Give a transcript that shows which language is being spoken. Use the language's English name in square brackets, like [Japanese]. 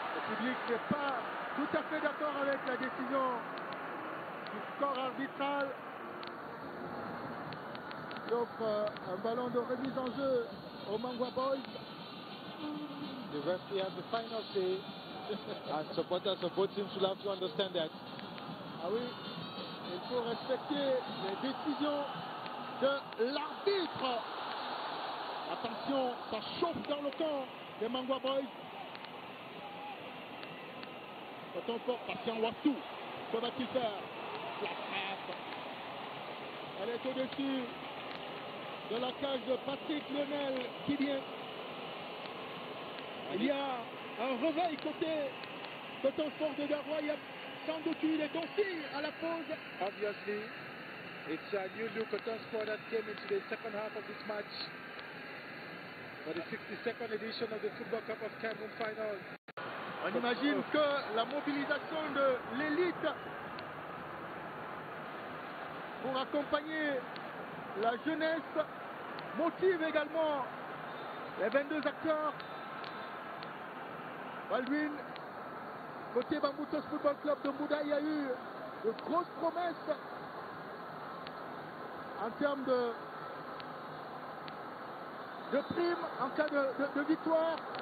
[French] Le public n'est pas tout à fait d'accord avec la décision du score arbitral. Donc un ballon de remise en jeu au Mangwa Boys. [English] The referee has the final say. As supporters of both teams will have to understand that. [French] Ah oui, il faut respecter les décisions de l'arbitre. Attention, ça chauffe dans le camp des Mangwa Boys. Quand on porte Patient Wattou, que va-t-il faire? La frappe. Elle est au-dessus de la cage de Patrick Lionel qui vient. Il y a un réveil côté Coton Sport de Garrois. Il y a sans doute eu des consignes à la pause. [English] Obviously, it's a new look Coton Sport that came into the second half of this match for the 62nd edition of the Football Cup of Cameroun final. [French] On imagine que la mobilisation de l'élite pour accompagner la jeunesse motive également les 22 acteurs. Baldwin, côté Bamboutos Football Club de Mbouda, il y a eu de grosses promesses en termes de primes en cas de victoire.